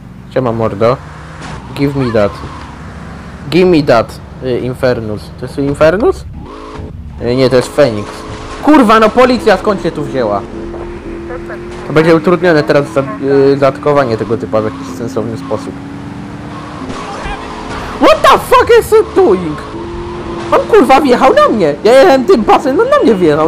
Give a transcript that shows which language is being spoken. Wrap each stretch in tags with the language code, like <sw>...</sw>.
<pl>Siema, mordo.</pl> <en>Give me that. Give me that.</en> <pl>Infernus. To jest Infernus? Nie, to jest Phoenix. Kurwa, no policja skąd się tu wzięła? To będzie utrudnione teraz zatkowanie tego typa w jakiś sensowny sposób.</pl> <en>What the fuck is he doing?</en> <pl>On kurwa wjechał na mnie. Ja jechałem tym pasem, no na mnie wjechał.</pl>